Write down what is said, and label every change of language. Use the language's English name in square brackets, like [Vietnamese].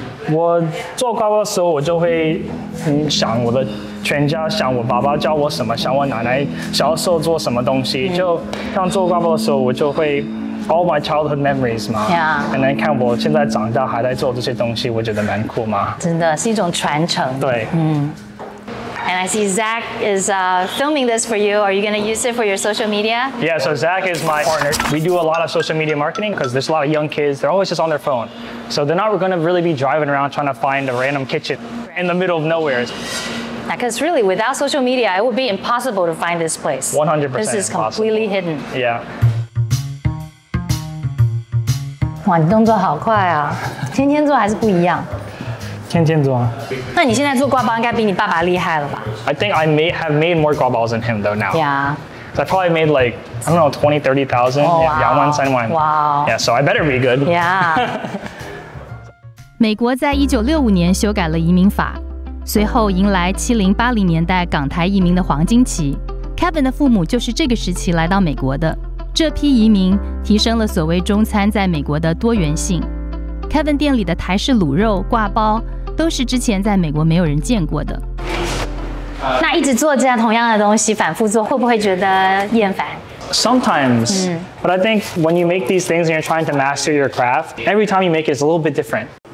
[Chinese] 我做挂包的时候，我就会想我的全家，想我爸爸教我什么，想我奶奶小时候做什么东西。就像做挂包的时候，我就会 [English] all my childhood memories [Chinese] 嘛。 [English] Yeah. [Chinese] 然后看我现在长大还在做这些东西，我觉得蛮酷嘛。真的是一种传承。对， [English] And I see Zach is filming this for you. Are you going to use it for your social media? Yeah, so Zach is my partner. We do a lot of social media marketing because there's a lot of young kids. They're always just on their phone. So they're not going to really be driving around trying to find a random kitchen in the middle of nowhere. Because really, without social media, it would be impossible to find this place. 100% This is completely hidden. Yeah. [Chinese] 哇，你动作好快啊！天天做还是不一样。天天做啊。那你现在做挂包应该比你爸爸厉害了吧？ [English] I think I may have made more 挂包 than him though now. Yeah. So I probably made like, I don't know, 20,000, 30,000. Oh, wow. Yeah, [Chinese] 2万, 3万. [English] Wow. Yeah, so I better be good. Yeah. [Chinese] 美国在1965年修改了移民法，随后迎来70、80年代港台移民的黄金期。 Kevin 的父母就是这个时期来到美国的。这批移民提升了所谓中餐在美国的多元性。 Kevin 店里的台式卤肉、挂包都是之前在美国没有人见过的。那一直做这样同样的东西，反复做，会不会觉得厌烦？ [English] Sometimes,but I think when you make these things and you're trying to master your craft, every time you make it, it's a little bit different.